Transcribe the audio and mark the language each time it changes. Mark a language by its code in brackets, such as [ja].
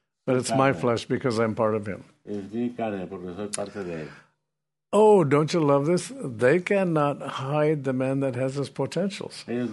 [en] But it's my flesh because I'm part of him. [es] Es mi carne porque soy parte de él. [en] Oh, don't you love this? They cannot hide the man that has his potentials.